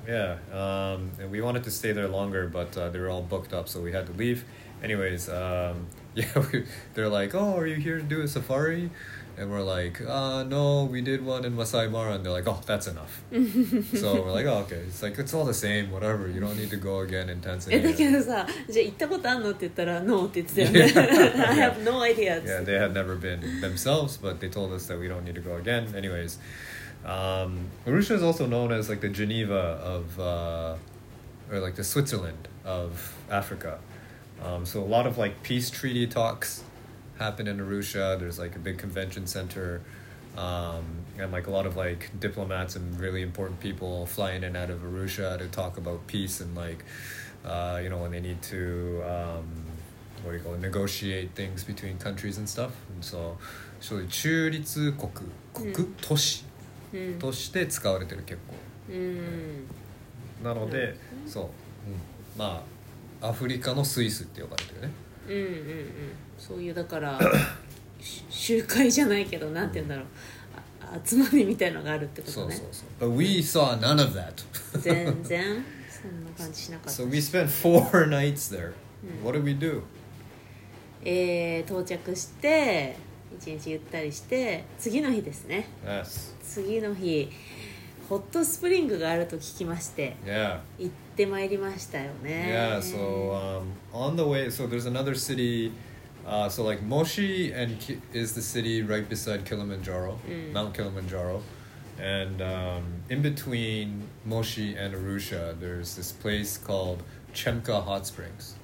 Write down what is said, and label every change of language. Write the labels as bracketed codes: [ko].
[en] Yeah, and we wanted to stay there longer, but they were all booked up, so we had to leave. Anyways, yeah, they're like, oh, are you here to do a safari? And we're like, no, we did one in Masai Mara. And they're like, oh, that's enough. So we're like, oh, okay. It's like, it's all the same, whatever. You don't need to go again in Tanzania. [ja] え、だけどさ、じゃあ行ったことあんのって言ったら、no って言ってたよね。 [en] I have no idea. Yeah, they had never been themselves, but they told us that we don't need to go again. Anyways. Arusha is also known as like the Geneva of, or like the Switzerland of Africa. So a lot of like peace treaty talks happen in Arusha. There's like a big convention center, and like a lot of like diplomats and really important people fly in and out of Arusha to talk about peace and like, you know, when they need to, what do you call it, negotiate things between countries and stuff. And so, [ja] 中立国、国、都市。うん、として使われてる結構、うん、なのでそう、うん、まあアフリカのスイスって呼ばれてるね、うんうんうん、そういうだから集会じゃないけどなんて言うんだろう、集まりみたいのがあるってことね。そうそうそう。 [en] But we saw none of that [ja] 全然そんな感じしなかった。 [en] So we spent four nights there、 [ja] うん、 [en] What did we do? [ja] 到着して1日ゆったりして次の日ですね、 [en] yes. [ja] 次の日ホットスプリングがあると聞きまして、 [en] yeah. [ja] 行ってまいりましたよね。 [en] Yeah, so、on the way, so there's another city、so like Moshi and is the city right beside Kilimanjaro、 [ja] うん、 [en] Mount Kilimanjaro. And、in between Moshi and Arusha there's this place called Chemka Hot Springs、